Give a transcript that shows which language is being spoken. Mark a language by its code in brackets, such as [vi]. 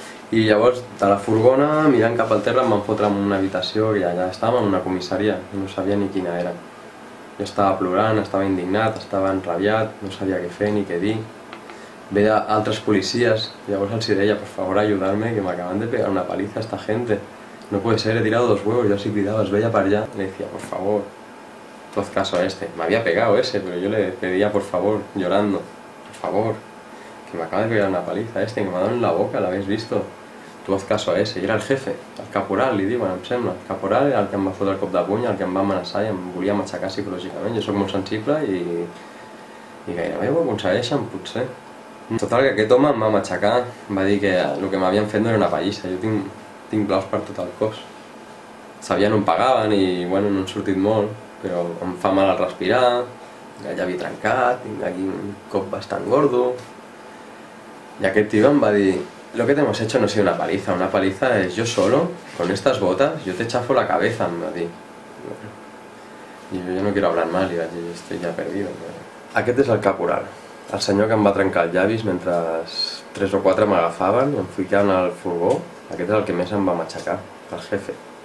[ca] I llavors, de la furgona, mirant cap al terra, em van fotre en una habitació i allà estàvem en una comissaria, i no sabia ni quina era. Jo estava plorant, estava indignat, estava enrabiat, no sabia què fer ni què dir. Ve d'altres policies, i llavors els deia, per favor, ajudar-me, que m'acaben de pegar [es] una paliza a esta gente. No puede ser, he tirado dos huevos, yo así cuidaba, es bella para allá. Le decía, por favor, haz caso a este. Me había pegado ese, pero yo le pedía, por favor, llorando, por favor, que me acaba de pegar una paliza a este, que me ha dado en la boca, ¿la habéis visto? Tu haz caso a ese. Y era el jefe, el caporal, [ca] li diuen, em sembla. El caporal era el que em va fotre el cop de puny, el que em va amenaçar i em volia matxacar psicològicament. Jo soc molt sensible i gairebé ho aconsegueixen, potser. Total, que aquest home em va matxacar, em va dir que el que m'havien fet no era una pallissa. Jo tinc blaus per tot el cos. Sabien on pagaven i, bueno, no han sortit molt, però em fa mal al respirar, el llavi trencat, tinc aquí un cop bastant gordo. I aquest tio em va dir, [es] lo que te hemos hecho no ha sido una paliza es yo solo, con estas botas, yo te chafo la cabeza, [ca] em va dir. [es] I jo no quiero hablar más, [ca] li vaig dir, [es] estoy ya perdido. [ca] Aquest és el caporal, el senyor que em va trencar els llavis mentre tres o quatre m'agafaven i em ficaven al furgó. Aquest és el que més em va matxacar, el jefe.